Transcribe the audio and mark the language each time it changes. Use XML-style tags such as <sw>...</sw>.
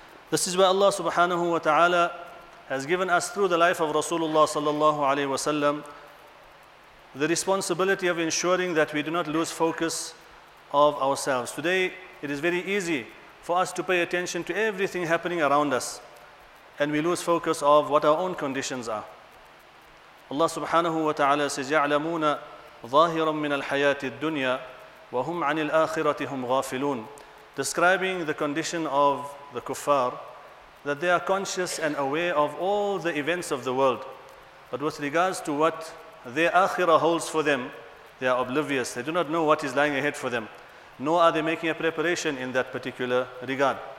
<en>This is where Allah subhanahu wa ta'ala has given us, through the life of Rasulullah sallallahu alayhi wa sallam, the responsibility of ensuring that we do not lose focus of ourselves. Today, it is very easy for us to pay attention to everything happening around us, and we lose focus of what our own conditions are. Allah subhanahu wa ta'ala says,</en> <ar>يَعْلَمُونَ ظَاهِرًا مِنَ الْحَيَاةِ الدُّنْيَا وَهُمْ عَنِ الْآخِرَةِ هُمْ غَافِلُونَ.</ar> <en>Describing the condition of the kuffar, that they are conscious and aware of all the events of the world, but with regards to what their akhirah holds for them, they are oblivious. They do not know what is lying ahead for them, nor are they making a preparation in that particular regard.</en>